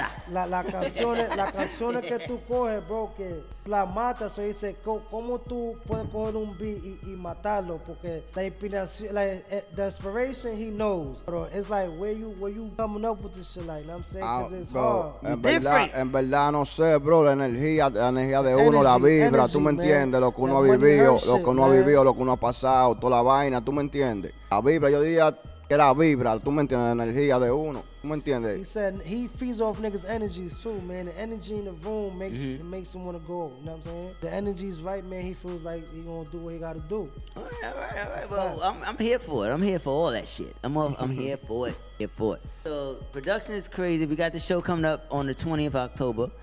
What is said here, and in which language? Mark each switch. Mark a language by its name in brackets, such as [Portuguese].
[Spanish] Las canciones que tú coges, bro, que la mata, eso dice, ¿cómo tú puedes coger un beat y matarlo? Porque la inspiración, like, [English] the inspiration, he knows. Bro, it's like, where you coming up with this shit, like, you know what I'm saying? Because it's bro, hard. [Spanish] En verdad, no sé, bro, la energía de uno, energy, la vibra, energy, tú me entiendes, lo que uno ha vivido, lo que uno ha vivido, lo que uno ha pasado, toda la vaina, tú me entiendes. La vibra, yo diría, era vibra, tú me entiendes, la energía de uno, tú me entiendes. [English] He said he feeds off niggas' energies too, man. The energy in the room makes it makes him wanna go. You know what I'm saying? The energy's right, man. He feels like he gonna do what he gotta do. All right. Well, I'm here for it. I'm here for all that shit. I'm here for it. Here for it. So production is crazy. We got the show coming up on the 20th of October.